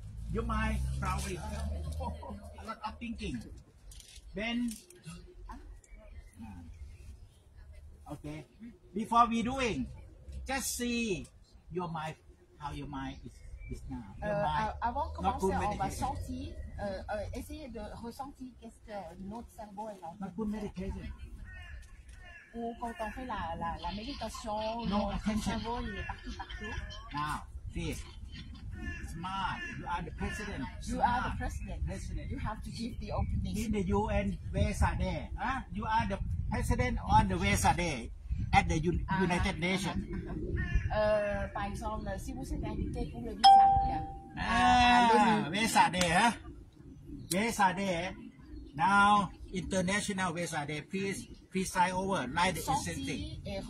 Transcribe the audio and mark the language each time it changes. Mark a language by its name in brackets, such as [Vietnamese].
[English] Your mind probably a lot of thinking. Then, okay. Before we doing, just see your mind. How your mind is now. [French] Avant de commencer, on va sentir. Essayez de ressentir qu'est-ce que notre cerveau est en train de faire. Ou quand on fait la méditation, notre cerveau il est partout. [English] Now, please, smart. You are the president. You smart. Are the president. President. You have to give the opening. In the UN, where are they? You are the president on the where are they? At the United Nations. [French] Par exemple, si vous êtes invité pour le visa, [English] where are they? Where are they? Now, international, where are they? Please sign over, like the instant thing.